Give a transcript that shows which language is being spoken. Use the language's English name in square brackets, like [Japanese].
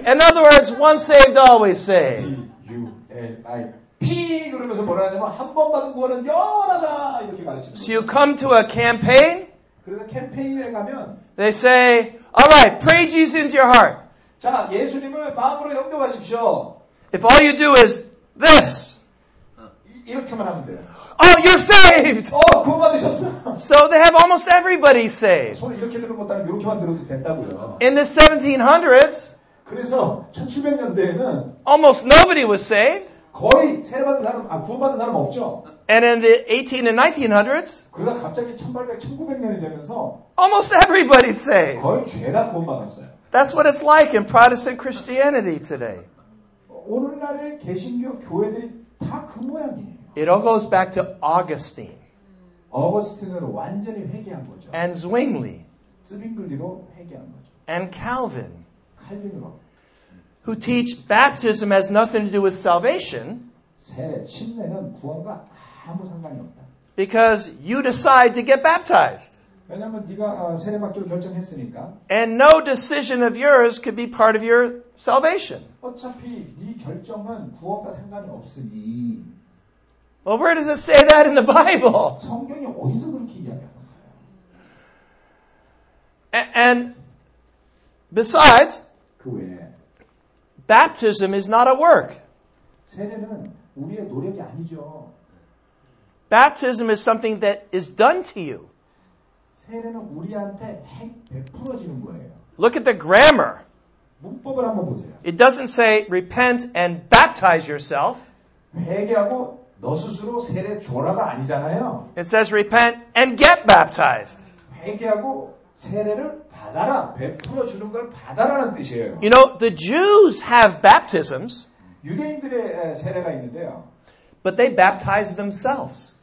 [English] In other words, once saved, always saved. T U L I P. [Korean] 그러면서 뭐라 하냐면 한 번 받은 구원은 영원하다 이렇게 가르치는. [English] So you come to a campaign. [Korean] 그래서 캠페인에 가면. [English] They say, all right, pray Jesus into your heart. [Korean] 자, 예수님을 마음으로 영접하십시오. [English] If all you do is this. [Korean] 이렇게만 하면 돼. [English] Oh, you're saved. [Korean] 어, 구원받으셨어. [English] So they have almost everybody saved. [Korean] 손 이렇게 들은 것 따라 이렇게만 들어도 된다고요. [English] In the 1700s. [Korean] 그래서 1700년대에는 [English] almost nobody was saved. [Korean] 거의 세례받은 사람, 아 구원받은 사람 없죠. [English] And in the 18 and 1900s. [Korean] 그러다 갑자기 1800년이 되면서 [English] almost everybody saved. [Korean] 거의 죄다 구원받았어요. [English] That's what it's like in Protestant Christianity today. [Korean] 오늘날의 개신교 교회들이 [English] It all goes back to Augustine. [Korean] Augustine은 완전히 회개한 거죠. [English] And Zwingli. [Korean] Zwingli로 회개한 거죠. [English] And Calvin. [Korean] Calvin으로. [English] Who teach baptism has nothing to do with salvation. [Korean] 세례, 침례는 구원과 아무 상관이 없다. [English] Because you decide to get baptized. [Korean] 왜냐면 네가 세례 받기로 결정했으니까. [English] And no decision of yours could be part of your salvation. [Korean] 어차피 네 결정은 구원과 상관이 없으니. [English] Well, where does it say that in the Bible? [Korean] 성경이 어디서 그렇게 이야기하는가요? [English] And besides, [Korean] 그 외에 [English] baptism is not a work. [Korean] 세례는 우리의 노력이 아니죠. [English] Baptism is something that is done to you. [Korean] 세례는 우리한테 베풀어지는 거예요. [English] Look at the grammar. [Korean] 문법을 한번 보세요. [English] It doesn't say repent and baptize yourself. [Korean] 회개하고 너 스스로 세례 줘라가 아니잖아요. [English] It says repent and get baptized. [Korean] 회개하고 세례를 받아라, 베풀어 주는 걸 받아라는 뜻이에요. [English] You know, the Jews have baptisms. [Korean] 유대인들의 세례가 있는데요. [English] But they baptize themselves.